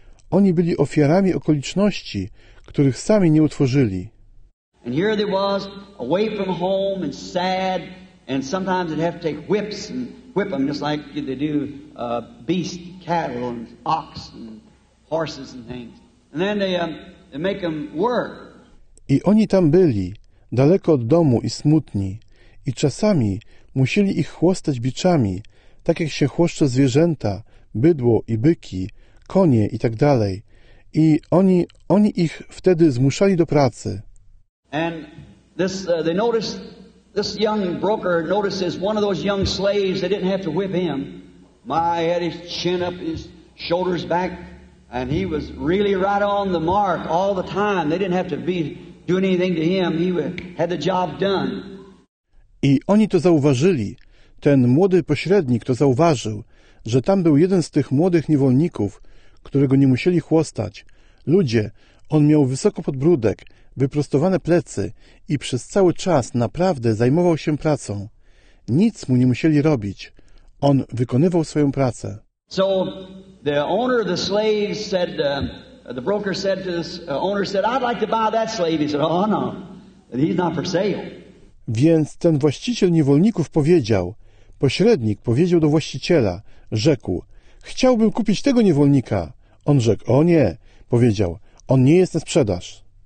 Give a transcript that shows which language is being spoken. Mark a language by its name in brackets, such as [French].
[Polish] Oni byli ofiarami okoliczności, których sami nie utworzyli. [English] And here they was away from home and sad, and sometimes they'd have to take whips and whip them just like they do beast, cattle and ox and horses and things. And then they make them work. [Polish] I oni tam byli daleko od domu i smutni i czasami musieli ich chłostać biczami, tak jak się chłoszcze zwierzęta, bydło i byki, konie i tak dalej. I oni ich wtedy zmuszali do pracy. [English] And this they noticed, this young broker notices one of those young slaves, they didn't have to whip him. My had his chin up, his shoulders back, and he was really right on the mark all the time. They didn't have to be doing anything to him. He had the job done. [Polish] I oni to zauważyli. Ten młody pośrednik to zauważył, że tam był jeden z tych młodych niewolników, którego nie musieli chłostać. Ludzie, on miał wysoko podbródek, wyprostowane plecy i przez cały czas naprawdę zajmował się pracą. Nic mu nie musieli robić. On wykonywał swoją pracę. [English] So the owner of the slave said, the broker said to this owner, said, I'd like to buy that slave. He said, oh no, he's not for sale. [Polish] Więc ten właściciel niewolników powiedział, pośrednik powiedział do właściciela, rzekł, chciałbym kupić tego niewolnika. On rzekł, o nie, powiedział, on nie jest na sprzedaż.